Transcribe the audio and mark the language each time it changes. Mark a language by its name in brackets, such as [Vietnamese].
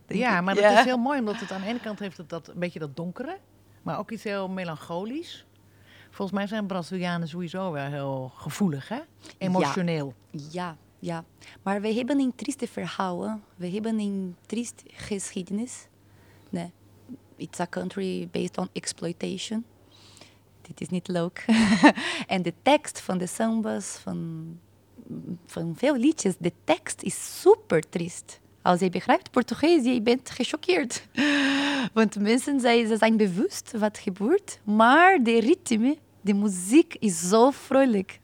[Dutch] Ja, maar dat is heel mooi, omdat het aan de ene kant heeft dat een beetje dat donkere, maar ook iets heel melancholisch. Volgens mij zijn Brazilianen sowieso wel heel gevoelig, hè? Emotioneel. Ja, ja. Maar we hebben een trieste verhaal. We hebben een trieste geschiedenis. Nee. [English] It's a country based on exploitation. [Dutch] Dit is niet leuk. En de tekst van de sambas, van veel liedjes, de tekst is super triest. Als je begrijpt Portugees, je bent gechoqueerd. Want mensen zijn bewust wat gebeurt, maar de ritme, de muziek is zo vrolijk.